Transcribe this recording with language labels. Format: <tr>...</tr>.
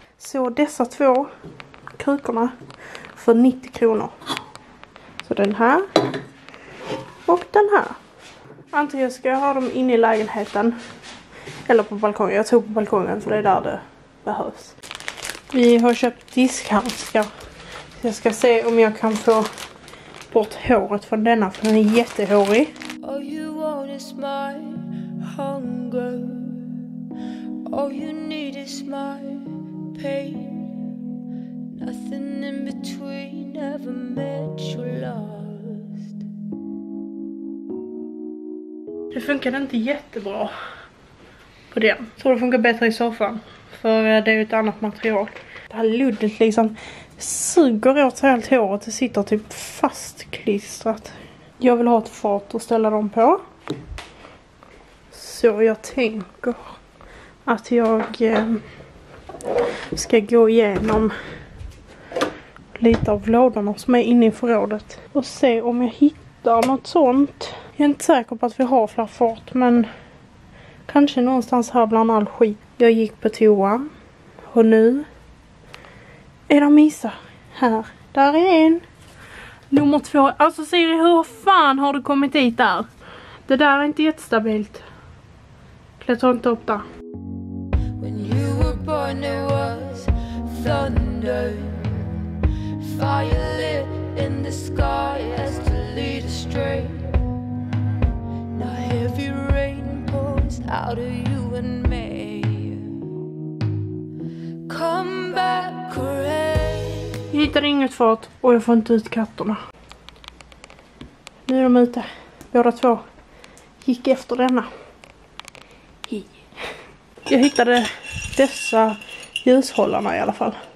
<sv>Så dessa två krukorna för 90 kronor. Så den här. Och den här. Antingen ska jag ha dem inne i lägenheten. Eller på balkongen. Jag tog på balkongen för det är där det behövs. Vi har köpt diskhandskar. Jag ska se om jag kan få bort håret från denna. För den är jättehårig.</sv> <en>All you want is my hunger. All you need is my pain. Nothing in between ever met your love.</en> <sv>Det funkar inte jättebra på den. Tror det funkar bättre i soffan. För det är ju ett annat material. Det här luddet liksom suger åt sig helt håret. Det sitter typ fastklistrat. Jag vill ha ett fat att ställa dem på. Så jag tänker att jag ska gå igenom lite av lådorna som är inne i förrådet. Och se om jag hittar något sånt. Jag är inte säker på att vi har fler fart, men kanske någonstans här bland all skit. Jag gick på toa och nu är de missa här. Där är en. Nummer två. Alltså Siri, hur fan har du kommit hit där? Det där är inte jättestabilt. Klättra inte upp där.</sv> <en>When you were born it was thunder. Fire lit in the sky as to lead astray. Heavy rain pours out of you and me. Come back, rain.</en> <sv>Jag hittar inget fart och jag får inte ut katterna. Nu är de ute. Båda två gick efter denna. Jag hittade dessa ljushållarna i alla fall.</sv>